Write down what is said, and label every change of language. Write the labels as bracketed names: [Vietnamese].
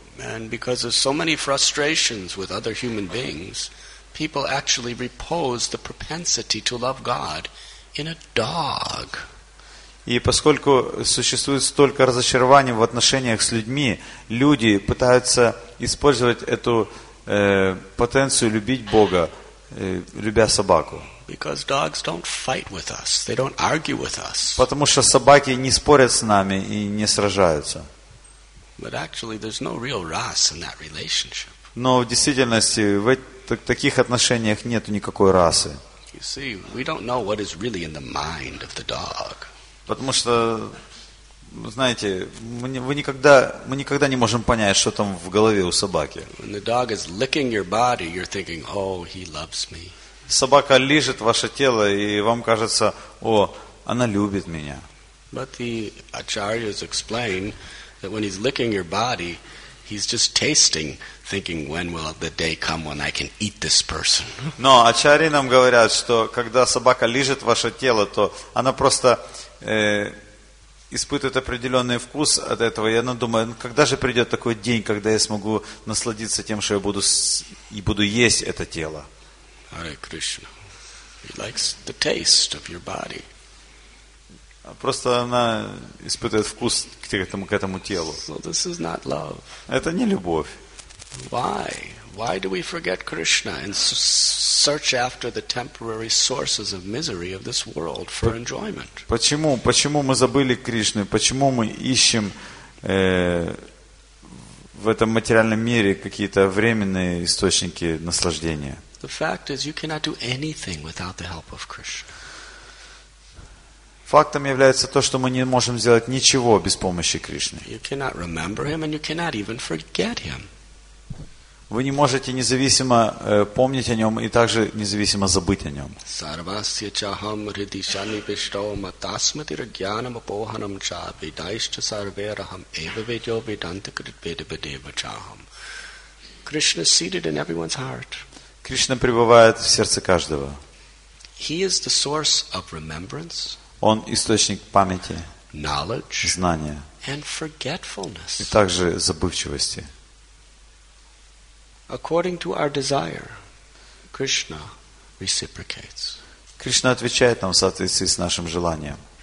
[English] And because of so many frustrations with other human beings, people actually repose the propensity to love God in a dog. [Russian] И поскольку существует столько разочарований в отношениях с людьми, люди пытаются использовать эту потенцию любить Бога, любя собаку. [English] Because dogs don't fight with us. They don't argue with us. [Russian] Потому что собаки не спорят с нами и не сражаются. [English] But actually there's no real ras in that relationship. [Russian] Но в действительности в таких отношениях нет никакой расы. [English] You see, we don't know what is really in the mind of the dog. [Russian] Потому что, знаете, мы никогда не можем понять, что там в голове у собаки. [English] When the dog is licking your body, you're thinking, "Oh, he loves me." [Russian] Собака лижет ваше тело, и вам кажется, о, она любит меня. [English] But the acharyas explain that when he's licking your body, he's just tasting, thinking, when will the day come when I can eat this person? [Russian] Но ачарьи нам говорят, что когда собака лижет ваше тело, то она просто испытывает определенный вкус от этого, и она думает, когда же придет такой день, когда я смогу насладиться тем, что я буду есть это тело. [English] Hare Krishna. He likes the taste of your body. [Russian] Просто она испытывает вкус к этому телу. [English] So this is not love. [Russian] Это не любовь. [English] Why? Why do we forget Krishna and search after the temporary sources of misery of this world for enjoyment? [Russian] Почему? Почему мы забыли Кришну? Почему мы ищем в этом материальном мире какие-то временные источники наслаждения? [English] The fact is, you cannot do anything without the help of Krishna. [Russian] Фактом является то, что мы не можем сделать ничего без помощи Кришны. [English] You cannot remember him, and you cannot even forget him. [Russian] Вы не можете независимо помнить о нем и также независимо забыть о нем. [Sanskrit] Sarvasya chaham hridi shanibhishto matasmati rajyanam apohanam cha vidaischa sarve raham eva vedyo vedanta kritvedibadeva chaham. [English] Krishna is seated in everyone's heart. [Russian] Кришна пребывает в сердце каждого. [English] He is the source of remembrance, [Russian] Он источник памяти, [English] knowledge, [Russian] знания [English] and forgetfulness. [Russian] И также забывчивости. [English] According to our desire, Krishna reciprocates. [Russian] Кришна отвечает нам в соответствии с нашим желанием.